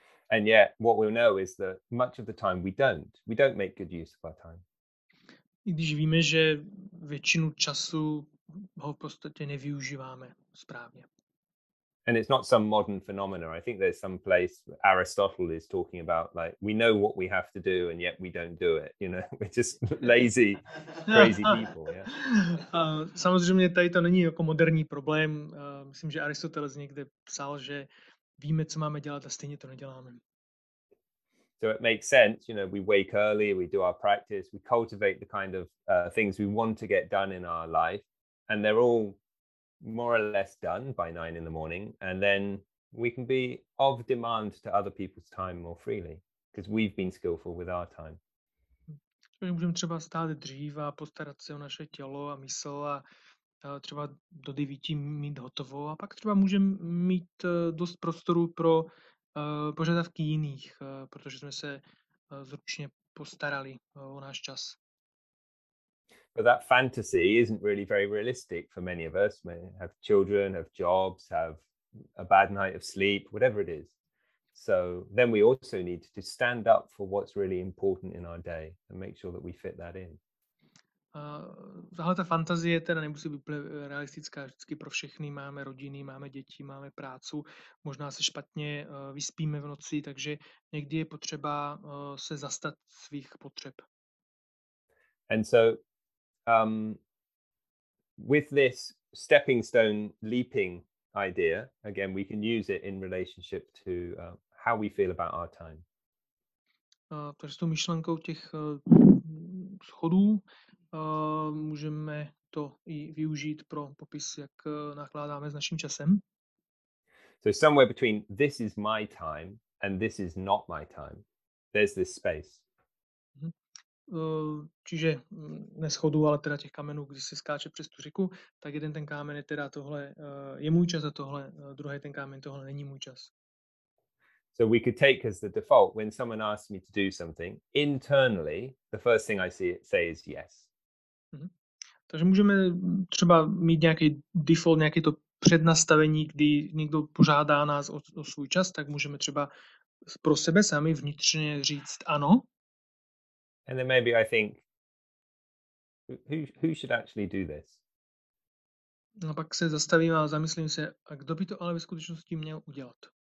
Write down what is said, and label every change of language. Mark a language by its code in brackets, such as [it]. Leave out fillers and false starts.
[en] And yet, what we know is that much of the time we don't make good use of our time. [cs] I když víme, že většinu času ho v podstatě nevyužíváme správně. [en] And it's not some modern phenomenon. I think there's some place Aristotle is talking about, like, we know what we have to do and yet we don't do it. You know, we're just lazy, crazy people. Yeah. [cs] Samozřejmě tady to není jako moderní problém. Myslím, že Aristoteles někde psal, že víme, co máme dělat a stejně to neděláme. [en] So it makes sense. You know, we wake early, we do our practice, we cultivate the kind of things we want to get done in our life. And they're all more or less done by 9 in the morning, and then we can be of demand to other people's time more freely because we've been skillful with our time. [cs] Můžeme třeba stát dřív a postarat se o naše tělo a mysl a třeba do 9 mít hotovo a pak třeba můžeme mít dost prostoru pro požadavky jiných, protože jsme se zručně postarali o náš čas. [en] But that fantasy isn't really very realistic for many of us. We have children, have jobs, have a bad night of sleep, whatever it is. So then we also need to stand up for what's really important in our day and make sure that we fit that in. [cs] Tahle ta fantazie teda nemusí být realistická vždycky pro všechny. Máme rodiny, máme děti, máme prácu. Možná se špatně vyspíme v noci, takže někdy je potřeba se zastat svých potřeb. [en] And so with this stepping stone leaping idea, again, we can use it in relationship to how we feel about our time. [cs] Takže s tou myšlenkou těch schodů můžeme to i využít pro popis, jak nakládáme s naším časem. [en] So somewhere between this is my time and this is not my time, there's this space. [cs] Čiže ne schodu, ale teda těch kamenů, když se skáče přes tu řeku, tak jeden ten kámen je teda tohle je můj čas a tohle druhý ten kámen tohle není můj čas. [en] So we could take as the default when someone asks me to do something, internally the first thing I say is yes. Mm-hmm. [cs] Takže můžeme třeba mít nějaký default, nějaké to přednastavení, kdy někdo požádá nás o svůj čas, tak můžeme třeba pro sebe sami vnitřně říct ano. [en] And then maybe I think, who should actually do this? [cs] No, pak se zastavím a zamyslím se, a kdo by to ale ve skutečnosti měl udělat?